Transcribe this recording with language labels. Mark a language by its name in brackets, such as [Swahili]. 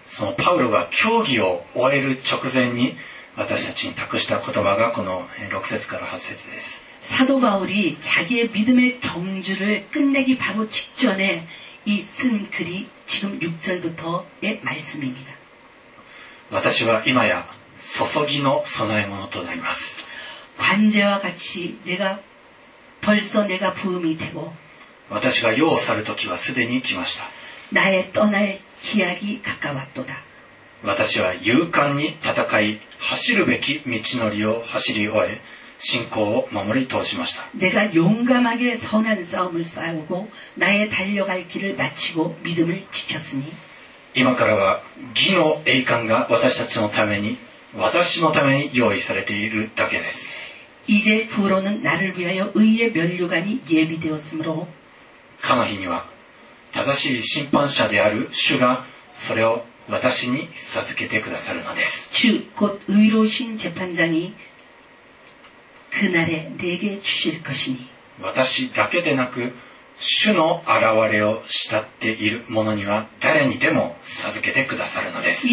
[Japanese] そのパウロが競技を終える直前に私たちに託した言葉がこの6節から8節です [Korean] 사도바울이자기의믿음의경주를끝내기바로직전에이쓴글이지금6절부터의말씀입니다 [Japanese] 私は今や注ぎの備え物となります [Korean] 관제와같이내가벌써내가부음이되고 [Japanese] 私が世を去る時はすでに来ました [Korean] 나의떠날기약이가까웠도다 [Japanese] 私は勇敢に戦い走るべき道のりを走り終え信仰を守り通しました [Korean] 내가용감하게선한싸움을싸우고나의달려갈길을마치고믿음을지켰으니 [Japanese] 今からは義の栄冠が私たちのために私のために用意されているだけです [Korean] 이제부로는나를위하여의의면류관이예비되었으므로 [Japanese] かの日には正しい審判者である主がそれを私に授けてくださるのです [Korean] 주곧의로우신재판장이그날에내게주실것이니 [Japanese] 私だけでなく主の現れを慕っている者には誰にでも授けてくださるのです